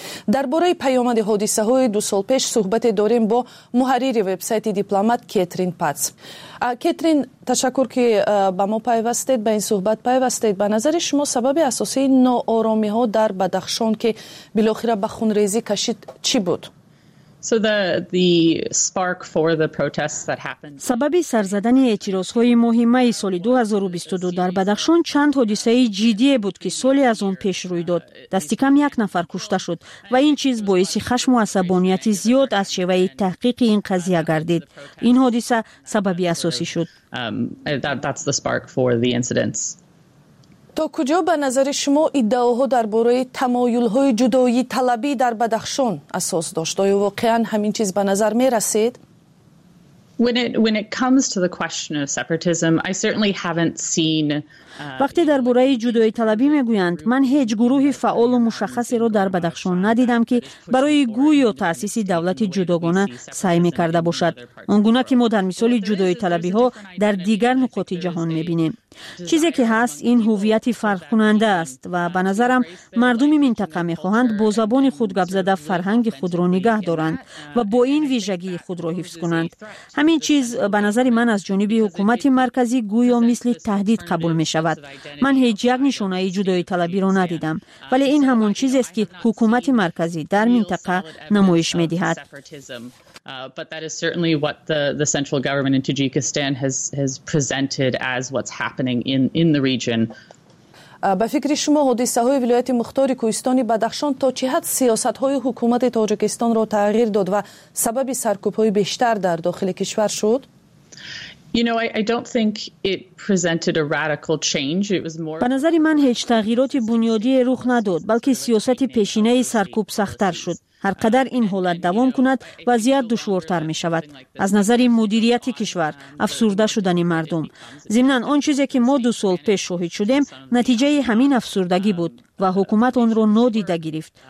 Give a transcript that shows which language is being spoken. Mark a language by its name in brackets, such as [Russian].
[Persian] درباره پیامد حادثه های دو سال پیش صحبت داریم با محرر وبسایت دیپلمات کترین پاتس. کترین، تشکر که با ما پیوستید، با این صحبت پیوستید. به نظر شما سبب اساسی ناآرامی ها در بدخشان که بالاخره به خونریزی کشید چی بود؟ [English] So the spark for the protests that happened. [Persian] سبب سرزدن اعتراض های ماه می سال 2022 در بدخشان چند حادثه جدی بود که سالی از آن پیش روی داد. دست کم یک نفر کشته شد و این چیز باعث خشم و عصبانیت زیاد از شیوه تحقیق این قضیه گردید. این حادثه سبب اساسی شد. [English] That's the spark for the incidents. [Persian] تا کجا به نظر شما ادعاها درباره تمایل های جدایی طلبی در بدخشان اساس داشت؟ آیا واقعا همین چیز به نظر می رسید؟ [English] When it comes to the question of separatism, I certainly haven't seen [Persian] وقتی در برای جدای طلبی میگویند من هیچ گروه فعال و مشخصی را در بدخشان ندیدم که برای گوی و تأسیس دولت جداگانه سعی میکرده باشد. آنگونه که ما در مثال جدای طلبی ها در دیگر نقاط جهان میبینیم. چیزی که هست این هویت فرق کننده است و به نظرم مردم منطقه میخواهند با زبان خود گپ زده فرهنگ خود را نگه دارند و با این ویژگی خود را حفظ کنند. همین چیز به نظر من از جانب حکومت مرکزی گویا مثل تهدید قبول می شود. من هیچ یک نشانه ای جدای طلبی را ندیدم، ولی این همون چیز است که حکومت مرکزی در منطقه نمایش می دهد. [English] But that is certainly what the central government in Tajikistan has presented as what's happening in the region. [Persian] به فکر شما حادثه های ولایت مختار کوهستان بدخشان تا چه حد سیاست های حکومت تاجیکستان را تغییر داد و سبب سرکوب های بیشتر در داخل کشور شد؟ [English] I don't think it presented a radical change. It was more [Persian] به نظر من هیچ تغییرات بنیادی رخ نداد، بلکه سیاست پیشینه سرکوب سخت‌تر شد. هر قدر این حالت دوام کند وضعیت دشوارتر می شود. از نظر مدیریت کشور، افسرده شدن مردم. ضمناً آن چیزی که ما 2 سال پیش شاهد شدیم نتیجه همین افسردگی بود و حکومت آن را نادیده گرفت.